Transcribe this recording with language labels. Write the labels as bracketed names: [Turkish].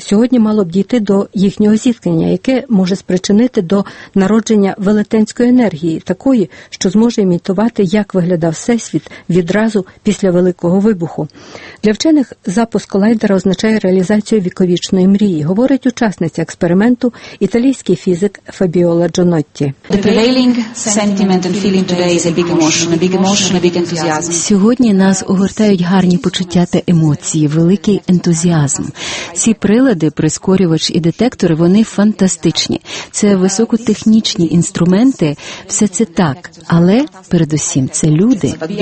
[Ukrainian] Сьогодні мало б дійти до їхнього зіткнення, яке може спричинити до народження велетенської енергії, такої, що зможе імітувати, як виглядав Всесвіт відразу після великого вибуху. Для вчених запуск колайдера означає реалізацію віковічної мрії, говорить учасниця експерименту, італійський фізик Фабіола Джонотті. [English] The prevailing sentiment and feeling today is a big enthusiasm. [Ukrainian] Сьогодні нас огортають гарні почуття та емоції, великий ентузіазм. Ці прилади, прискорювач і детектори, вони фантастичні. Це високотехнічні інструменти, все це так, але передусім це люди.